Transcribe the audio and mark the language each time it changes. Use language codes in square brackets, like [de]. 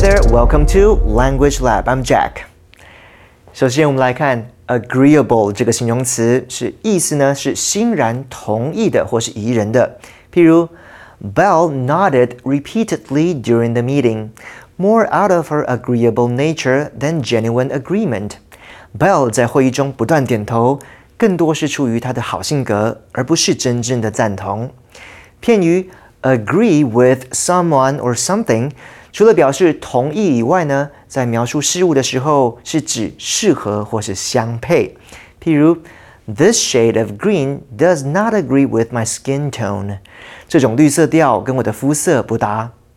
[en] Welcome to Language Lab. I'm Jack. [zh] 首先，我们来看 agreeable 这个形容词，是意思呢是欣然同意的或是宜人的。譬如 [en] ，Belle nodded repeatedly during the meeting, more out of her agreeable nature than genuine agreement. [zh] Belle 在会议中不断点头，更多是出于她的好性格，而不是真正的赞同。片语 [en] agree with someone or something。 [zh] 除了表示同意以外呢，在描述事物的时候是指适合或是相配。譬如 [en] ,This shade of green does not agree with my skin tone. [zh] 这种绿色调跟我的肤色不搭。